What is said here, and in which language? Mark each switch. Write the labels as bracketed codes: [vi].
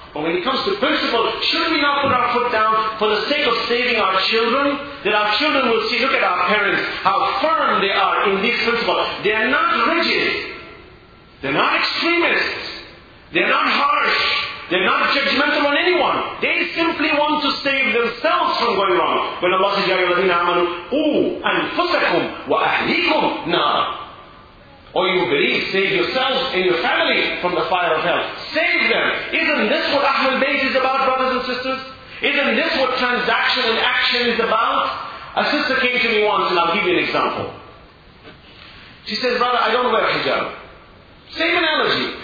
[en] But when it comes to principle, should we not put our foot down for the sake of saving our children? That our children will see, look at our parents, how firm they are in this principle. They are not rigid. They're not extremists. They're not harsh. They're not judgmental on anyone. They simply want to save themselves from going wrong. When Allah says, [ar] يَا الَّذِينَ آمَنُوا قُوا أَنفُسَكُمْ وَأَهْلِيكُمْ نَارًا. [en] Or you believe, save yourselves and your family from the fire of hell. Save them. Isn't this what Ahlul Bayt is about, brothers and sisters? Isn't this what transaction and action is about? A sister came to me once, and I'll give you an example. She says, brother, I don't wear hijab. Same analogy.